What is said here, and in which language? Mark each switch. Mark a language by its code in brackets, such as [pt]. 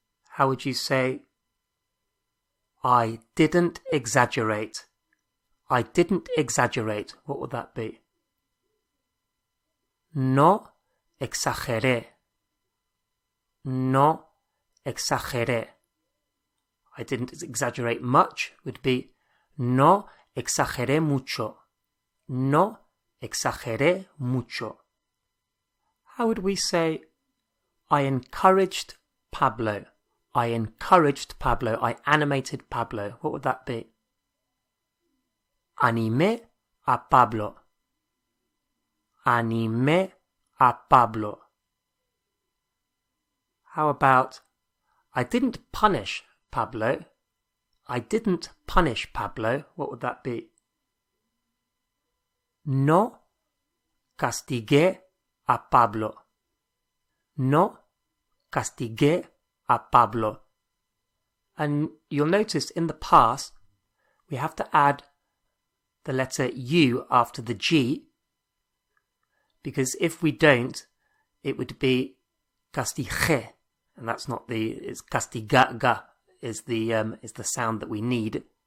[en] How would you say, I didn't exaggerate, I didn't exaggerate? What would that be? [es] No exageré, no exageré. [en] I didn't exaggerate much would be [es] no exageré mucho, no exageré mucho. [en] How would we say, I encouraged Pablo, I encouraged Pablo, I animated Pablo? What would that be? [es] Animé a Pablo, animé a Pablo. [en] How about, I didn't punish Pablo, I didn't punish Pablo? What would that be? [es] No castigué a Pablo, no castigué a Pablo. [en] And you'll notice in the past, we have to add the letter U after the G, because if we don't, it would be castigé, and that's not the, it's castigaga is the sound that we need.